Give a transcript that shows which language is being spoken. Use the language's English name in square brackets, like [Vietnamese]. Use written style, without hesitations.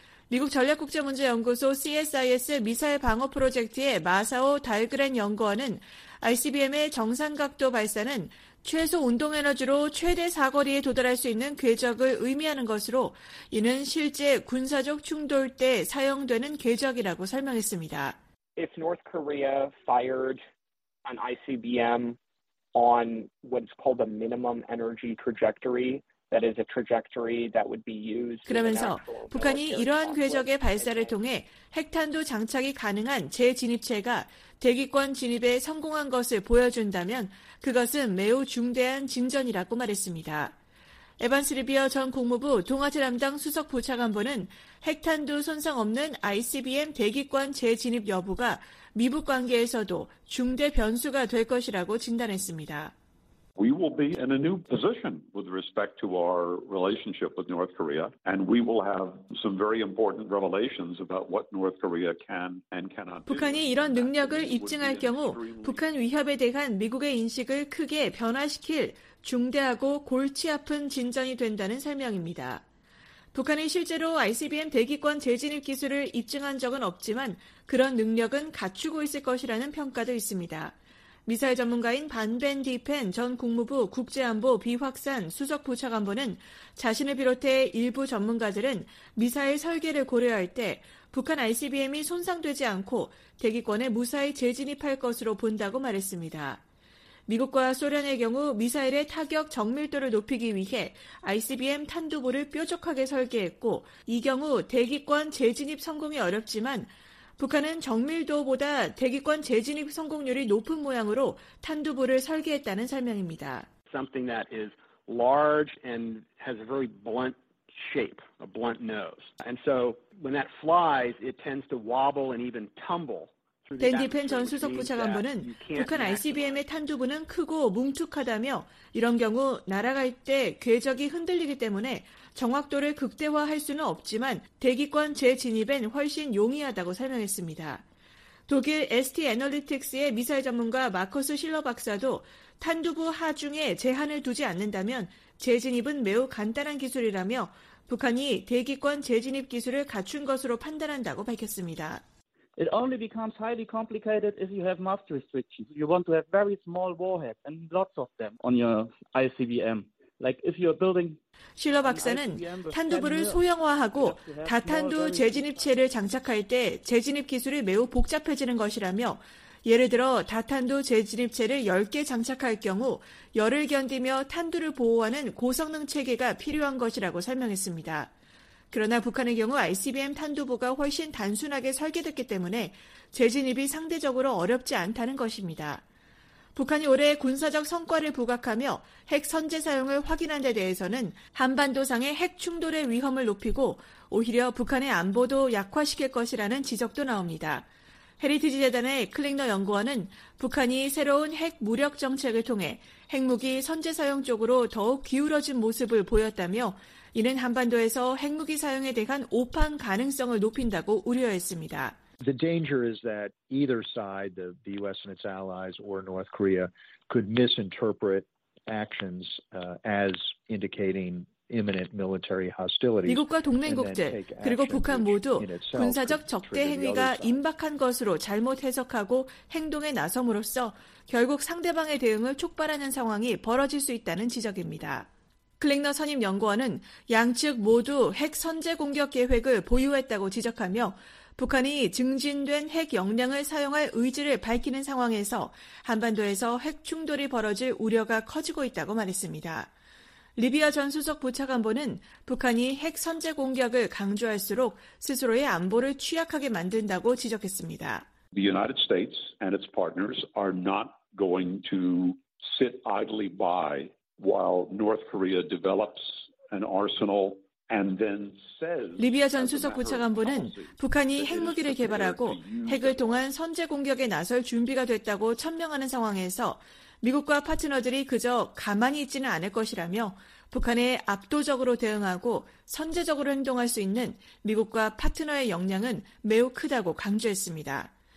[Korean] 미국 전략국제문제연구소 CSIS 미사일 방어 프로젝트의 마사오 달그렌 연구원은 ICBM의 정상각도 발사는 최소 운동에너지로 최대 사거리에 도달할 수 있는 궤적을 의미하는 것으로 이는 실제 군사적 충돌 때 사용되는 궤적이라고 설명했습니다. [English] If North Korea fired an ICBM on what's called a minimum energy trajectory, that is a trajectory that would be used. [Korean] 그러면서 북한이 이러한 궤적의 발사를 통해 핵탄두 장착이 가능한 재진입체가 대기권 진입에 성공한 것을 보여준다면 그것은 매우 중대한 진전이라고 말했습니다. 에반스 리비어 전 국무부 동아시아 담당 수석 부차관보는 핵탄두 손상 없는 ICBM 대기권 재진입 여부가 미북 관계에서도 중대 변수가 될 것이라고 진단했습니다. [English] We will be in a new position with respect to our relationship with North Korea, and we will have some very important revelations about what North Korea can and cannot do. [Korean] 북한이 이런 능력을 입증할 경우 북한 위협에 대한 미국의 인식을 크게 변화시킬 중대하고 골치 아픈 진전이 된다는 설명입니다. 북한이 실제로 ICBM 대기권 재진입 기술을 입증한 적은 없지만 그런 능력은 갖추고 있을 것이라는 평가도 있습니다. 미사일 전문가인 반벤 디펜 전 국무부 국제안보 비확산 수석 부차관보는 자신을 비롯해 일부 전문가들은 미사일 설계를 고려할 때 북한 ICBM이 손상되지 않고 대기권에 무사히 재진입할 것으로 본다고 말했습니다. 미국과 소련의 경우 미사일의 타격 정밀도를 높이기 위해 ICBM 탄두보를 뾰족하게 설계했고 이 경우 대기권 재진입 성공이 어렵지만 북한은 정밀도보다 대기권 재진입 성공률이 높은 모양으로 탄두보를 설계했다는 설명입니다. [English] Something that is large and has a very blunt shape, a blunt nose. And so when that flies, it tends to wobble and even tumble. [Korean] 댄디펜 전 수석 부차관보는 북한 ICBM의 탄두보는 크고 뭉툭하다며 이런 경우 날아갈 때 궤적이 흔들리기 때문에 정확도를 극대화할 수는 없지만 대기권 재진입엔 훨씬 용이하다고 설명했습니다. 독일 ST 애널리틱스의 미사일 전문가 마커스 실러 박사도 탄두보 하중에 제한을 두지 않는다면 재진입은 매우 간단한 기술이라며 북한이 대기권 재진입 기술을 갖춘 것으로 판단한다고 밝혔습니다. [English] It only becomes highly complicated if you have mass restrictions. You want to have very small warheads and lots of them on your ICBM. Like if you're building. [Korean] 실러 박사는 탄두부를 소형화하고 다탄두 재진입체를 장착할 때 재진입 기술이 매우 복잡해지는 것이라며 예를 들어 다탄두 재진입체를 10개 장착할 경우 열을 견디며 탄두를 보호하는 고성능 체계가 필요한 것이라고 설명했습니다. 그러나 북한의 경우 ICBM 탄두보가 훨씬 단순하게 설계됐기 때문에 재진입이 상대적으로 어렵지 않다는 것입니다. 북한이 올해 군사적 성과를 부각하며 핵 선제 사용을 확인한 데 대해서는 한반도상의 핵 충돌의 위험을 높이고 오히려 북한의 안보도 약화시킬 것이라는 지적도 나옵니다. 헤리티지 재단의 클링너 연구원은 북한이 새로운 핵 무력 정책을 통해 핵무기 선제 사용 쪽으로 더욱 기울어진 모습을 보였다며 이는 한반도에서 핵무기 사용에 대한 오판 가능성을 높인다고 우려했습니다. [English] The danger is that either side, the US and its allies or North Korea, could misinterpret actions as indicating imminent military hostilities. [Korean] 미국과 동맹국들 그리고 북한 모두 군사적 적대 행위가 임박한 것으로 잘못 해석하고 행동에 나섬으로써 결국 상대방의 대응을 촉발하는 상황이 벌어질 수 있다는 지적입니다. 클링너 선임 연구원은 양측 모두 핵 선제 공격 계획을 보유했다고 지적하며 북한이 증진된 핵 역량을 사용할 의지를 밝히는 상황에서 한반도에서 핵 충돌이 벌어질 우려가 커지고 있다고 말했습니다. 리비아 전 수석 부차관보는 북한이 핵 선제 공격을 강조할수록 스스로의 안보를 취약하게 만든다고 지적했습니다. [English] The United States and its partners are not going to sit idly by while North Korea develops an arsenal. [Korean] 리비아 전 수석 부차관보는 북한이 핵무기를 개발하고 핵을 통한 선제 공격에 나설 준비가 됐다고 천명하는 상황에서 미국과 파트너들이 그저 가만히 있지는 않을 것이라며 북한에 압도적으로 대응하고 선제적으로 행동할 수 있는 미국과 파트너의 역량은 매우 크다고 강조했습니다.